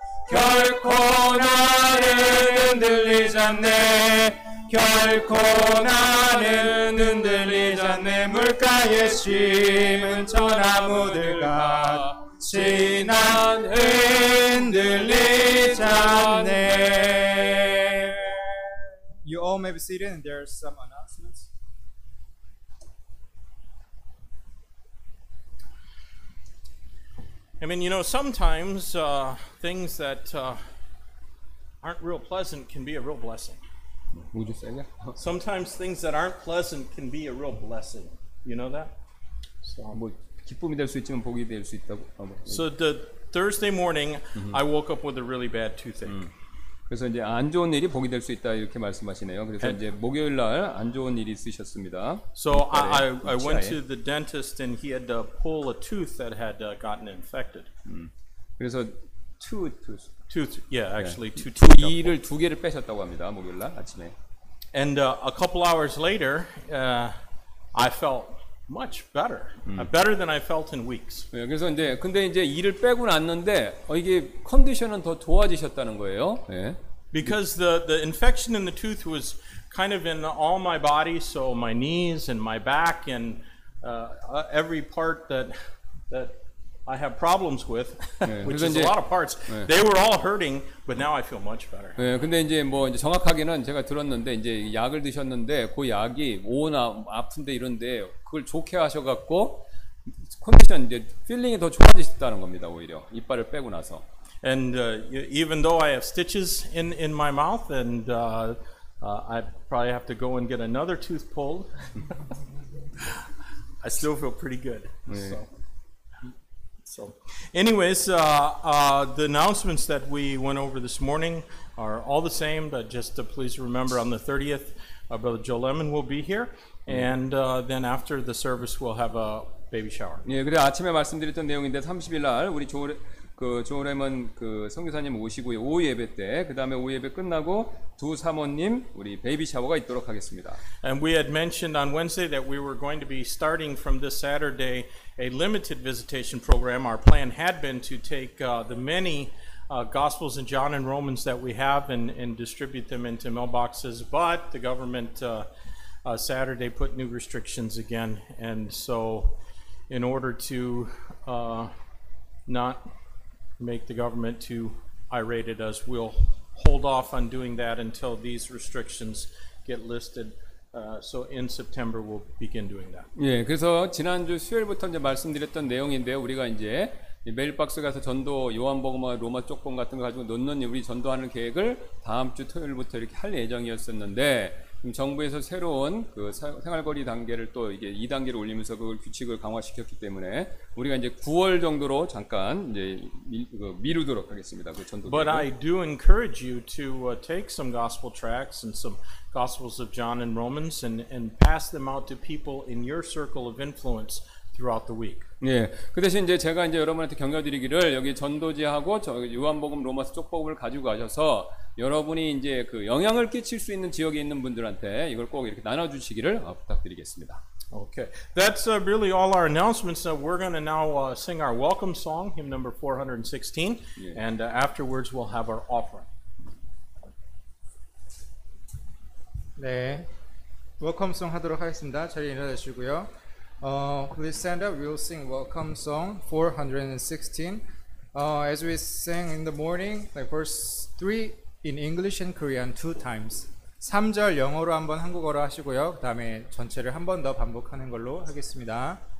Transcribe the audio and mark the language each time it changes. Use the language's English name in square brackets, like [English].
[Korean] 결코 나는 흔들리지 않네. 결코 나는 흔들리지 않네. 물가에 심은 전나무들 같이 지난 흔들리지 않네. [English] You all may be seated, and there are some announcements. I mean, you know, sometimes things that aren't real pleasant can be a real blessing. Sometimes things that aren't pleasant can be a real blessing. You know that? So the Thursday morning, mm-hmm. I woke up with a really bad toothache. [Korean] 그래서 이제 안 좋은 일이 복이 될 수 있다 이렇게 말씀하시네요. 그래서 이제 목요일 날 안 좋은 일이 있으셨습니다. [English] So I went to the dentist and he had to pull a tooth that had gotten infected. [Korean] 그래서 tooth. [English] Yeah, actually two teeth. [Korean] 이를 두 개를 빼셨다고 합니다. 목요일 날 아침에. [English] And a couple hours later, I felt much better. Better than I felt in weeks. [Korean] 예, 그래서 이제 근데 이제 이를 빼고 났는데 이게 컨디션은 더 좋아지셨다는 거예요. 예. [English] Because the infection in the tooth was kind of in all my body, so my knees and my back and every part that I have problems with, 예, which is 이제, a lot of parts. [Korean] 예. [English] They were all hurting, but now I feel much better. [Korean] 예, 근데 이제 뭐 이제 정확하게는 제가 들었는데 이제 약을 드셨는데 그 약이 오나 아픈데 이런데 그걸 좋게 하셔갖고 컨디션 이제 필링이 더 좋아지셨다는 겁니다 오히려 이빨을 빼고 나서. [English] And even though I have stitches in my mouth and I probably have to go and get another tooth pulled, I still feel pretty good. [Korean] 네. [English] So anyways, the announcements that we went over this morning are all the same, but just to please remember on the 30th, Brother Joe Lemon will be here. And then after the service, we'll have a baby shower. [Korean] 예, 그래 아침에 말씀드렸던 내용인데 30일 날 우리 조레먼 그 선교사님 오시고요 오후 예배 때 그 다음에 오후 예배 끝나고 두 사모님 우리 베이비 샤워가 있도록 하겠습니다. [English] And we had mentioned on Wednesday that we were going to be starting from this Saturday a limited visitation program. Our plan had been to take the many Gospels in John and Romans that we have and distribute them into mailboxes, but the government Saturday put new restrictions again, and so in order to not make the government too irate at us, we'll hold off on doing that until these restrictions get lifted So in September we'll begin doing that. [Korean] 예, 그래서 지난주 수요일부터 이제 말씀드렸던 내용인데요. 우리가 이제 메일박스 가서 전도 요한복음과 로마 쪽본 같은 거 가지고 넣는 우리 전도하는 계획을 다음 주 토요일부터 이렇게 할 예정이었었는데 지금 정부에서 새로운 그 생활거리 단계를 또 이게 2단계로 올리면서 그걸 규칙을 강화시켰기 때문에 우리가 이제 9월 정도로 잠깐 이제 미루도록 하겠습니다. 그 전도. [English] But I do encourage you to take some gospel tracts and some Gospels of John and Romans and pass them out to people in your circle of influence. Throughout the week. [Korean] 네, 그 대신 이제 제가 이제 여러분한테 격려드리기를 여기 전도지하고 저기 요한복음 로마서 쪽복음을 가지고 가셔서 여러분이 이제 그 영향을 끼칠 수 있는 지역에 있는 분들한테 이걸 꼭 이렇게 나눠주시기를 부탁드리겠습니다. [English] Okay, that's really all our announcements. So we're going to now sing our welcome song, hymn number 416, and afterwards we'll have our offering. [Korean] 네, 웰컴송 하도록 하겠습니다. 자리 일어나시고요. [English] Please stand up. We will sing welcome song 416. As we sang in the morning, like verse 3 in English and Korean two times. [Korean] 3절 영어로 한번 한국어로 하시고요. 그 다음에 전체를 한 번 더 반복하는 걸로 하겠습니다.